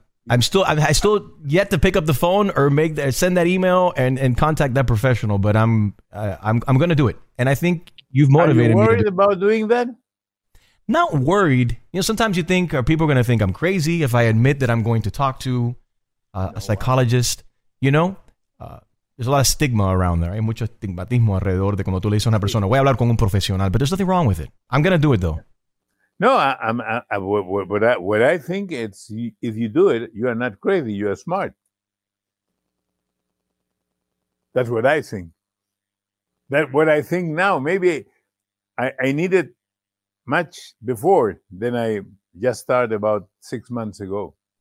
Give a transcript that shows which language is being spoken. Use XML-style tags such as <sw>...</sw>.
<en>I'm still yet to pick up the phone or send that email and contact that professional, but I'm going to do it. And I think you've motivated me. Are you worried about doing that? Not worried. You know, sometimes you think, are people going to think I'm crazy if I admit that I'm going to talk to a psychologist? You know, there's a lot of stigma around there.</en> <es>Hay mucho estigmatismo alrededor de cuando tú le dices a una persona, voy a hablar con un profesional.</es> <en>But there's nothing wrong with it. I'm going to do it, though. No, I think it's, if you do it, you are not crazy. You are smart. That's what I think. That what I think now. Maybe I need it much before than I just started about 6 months ago.</en>